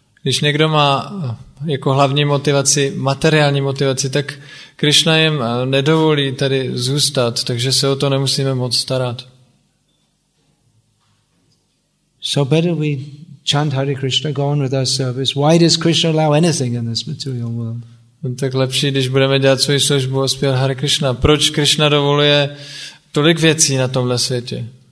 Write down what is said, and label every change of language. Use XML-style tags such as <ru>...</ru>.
<cs>Když někdo má jako hlavní motivaci materiální motivaci, tak Krishna jim nedovolí tady zůstat, takže se o to nemusíme moc starat.</cs> <en>So better we chant Hare Krishna, go on with our service. Why does Krishna allow anything in this material world?</en> <cs>Tak lepší, když budeme dělat svoji službu a zpívat Hare Krishna. Proč Krishna dovoluje tolik věcí na tomhle světě?</cs>